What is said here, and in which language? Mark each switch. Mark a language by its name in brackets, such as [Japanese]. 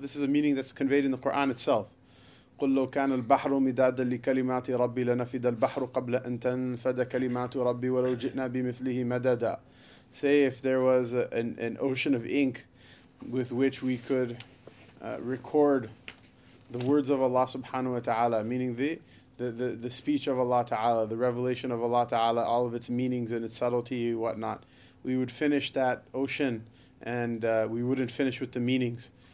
[English] This is a meaning that's conveyed in the Quran itself. [Arabic] قل لو كان البحر مدادا لكلمات ربي لنفد البحر قبل أن تنفد كلمات ربي ولو جئنا بمثله مددا. [English] Say, if there was an ocean of ink with which we could record the words of Allah Subhanahu wa Ta'ala, meaning the speech of Allah Ta'ala, the revelation of Allah Ta'ala, all of its meanings and its subtlety and whatnot, we would finish that ocean, and we wouldn't finish with the meanings.